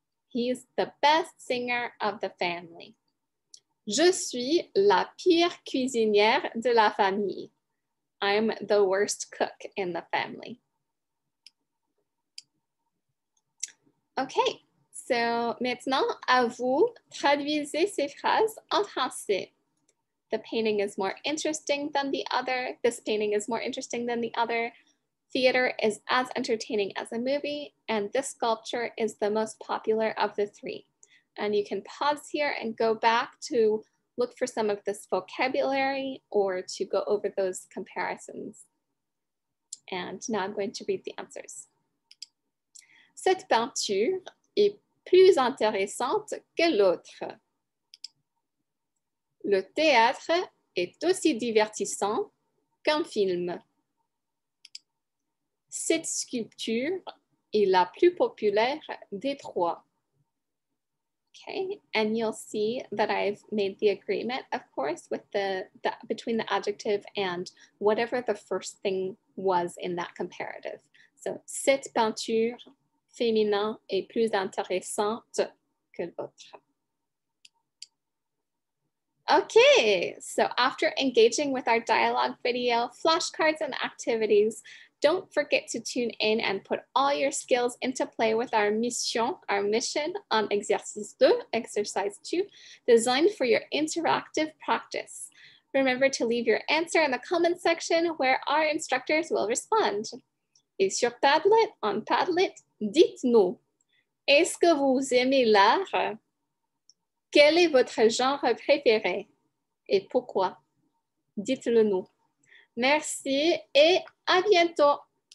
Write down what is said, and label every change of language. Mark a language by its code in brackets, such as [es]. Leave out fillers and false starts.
[en] He's the best singer of the family. [fr] Je suis la pire cuisinière de la famille. [en] I'm the worst cook in the family. OK. [fr] So, maintenant, à vous, traduisez ces phrases en français. [en] The painting is more interesting than the other. This painting is more interesting than the other. Theater is as entertaining as a movie. And this sculpture is the most popular of the three. And you can pause here and go back to look for some of this vocabulary or to go over those comparisons. And now I'm going to read the answers. [fr] Cette peinture est plus intéressante que l'autre. Le théâtre est aussi divertissant qu'un film. Cette sculpture est la plus populaire des trois. [en] Okay, and you'll see that I've made the agreement, of course, with the between the adjective and whatever the first thing was in that comparative. [fr] So, cette peinture féminin est plus intéressante que l'autre. [en] Okay, so after engaging with our dialogue video, flashcards, and activities, don't forget to tune in and put all your skills into play with our mission on exercice 2, exercise 2, designed for your interactive practice. Remember to leave your answer in the comment section where our instructors will respond. [fr] Et sur Padlet, [en] on Padlet, [fr] dites-nous, est-ce que vous aimez l'art? Quel est votre genre préféré? Et pourquoi? Dites-le nous. Merci et à bientôt.